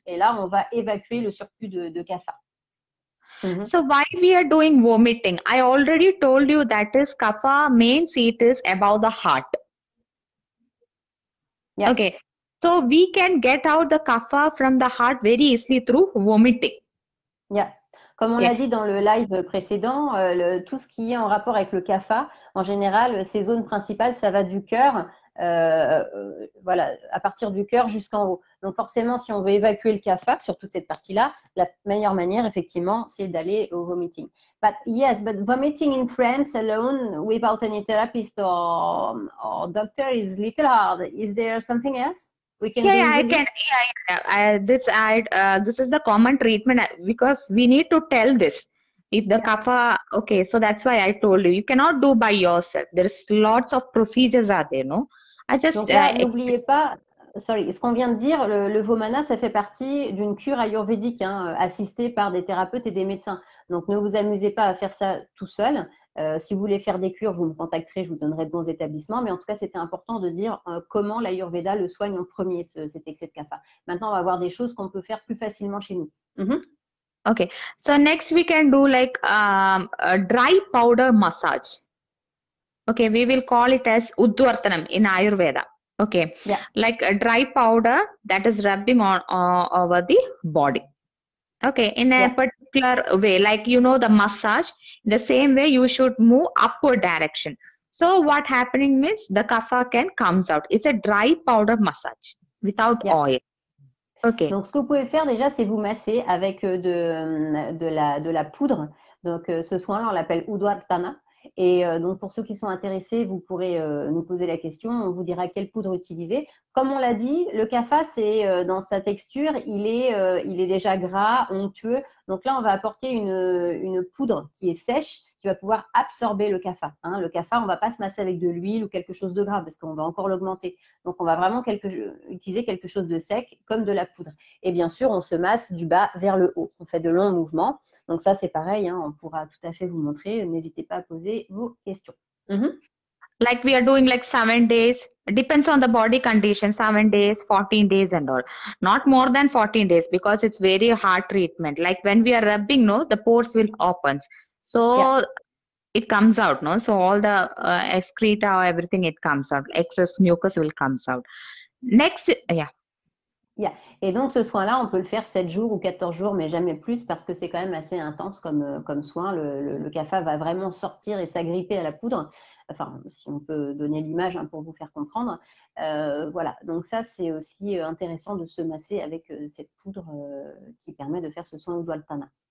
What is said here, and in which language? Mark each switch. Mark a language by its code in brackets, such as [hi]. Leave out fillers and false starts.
[fr] Et là, on va évacuer le surplus de CAFA. [en] So why we are doing vomiting? I already told you that is Kapha means it is about the heart. Okay, so we can get out the Kapha from the heart very easily through vomiting. [fr] Comme on l'a [en] Yes. [fr] dit dans le live précédent, tout ce qui est en rapport avec le CAFA, en général, ces zones principales, ça va du cœur, voilà, à partir du cœur jusqu'en haut. Donc forcément, si on veut évacuer le CAFA sur toute cette partie-là, la meilleure manière, effectivement, c'est d'aller au vomiting. [en] But yes, but vomiting in France alone, without any therapist or doctor, is little hard. Is there something else we can Yeah, do easily? this is the common treatment because we need to tell this. If the Kapha, okay, so that's why I told you cannot do by yourself. There's lots of procedures are there, no? I just [fr] Donc là, [en] explain. [fr] n'oubliez pas, sorry, ce qu'on vient de dire, le vomana, ça fait partie d'une cure ayurvédique, hein, assistée par des thérapeutes et des médecins. Donc ne vous amusez pas à faire ça tout seul. Si vous voulez faire des cures, vous me contacterez, je vous donnerai de bons établissements. Mais en tout cas, c'était important de dire comment l'ayurveda le soigne en premier, cet excès de kapha. Maintenant, on va voir des choses qu'on peut faire plus facilement chez nous. [en] Okay, so next we can do like a dry powder massage. Okay, we will call it as Udvartanam in Ayurveda. Okay, like a dry powder that is rubbing on over the body. Okay, in a particular way, like you know the massage, the same way you should move upward direction. So what happening means the kapha can comes out. It's a dry powder massage without oil. Okay. [fr] Donc, ce que vous pouvez faire déjà, c'est vous masser avec de la poudre. Donc, ce soin-là, on l'appelle Udvartana. Et donc, pour ceux qui sont intéressés, vous pourrez nous poser la question. On vous dira quelle poudre utiliser. Comme on l'a dit, le kapha, c'est dans sa texture, il est déjà gras, onctueux. Donc là, on va apporter une poudre qui est sèche, qui va pouvoir absorber le kapha. Hein. Le kapha, on ne va pas se masser avec de l'huile ou quelque chose de gras parce qu'on va encore l'augmenter. Donc, on va vraiment utiliser quelque chose de sec comme de la poudre. Et bien sûr, on se masse du bas vers le haut. On fait de longs mouvements. Donc, ça, c'est pareil. Hein. On pourra tout à fait vous montrer. N'hésitez pas à poser vos questions. [en] Like we are doing like 7 days, depends on the body condition, 7 days, 14 days and all. Not more than 14 days because it's very hard treatment. Like when we are rubbing, no, the pores will open. So it comes out, no? So all the excreta or everything, it comes out. Excess mucus will come out. Next, yeah. Yeah. [fr] Et donc, ce soin-là, on peut le faire 7 jours ou 14 jours, mais jamais plus parce que c'est quand même assez intense comme soin. Le kapha va vraiment sortir et s'agripper à la poudre. Enfin, si on peut donner l'image hein, pour vous faire comprendre. Voilà, donc ça, c'est aussi intéressant de se masser avec cette poudre qui permet de faire ce soin au Dwaltana.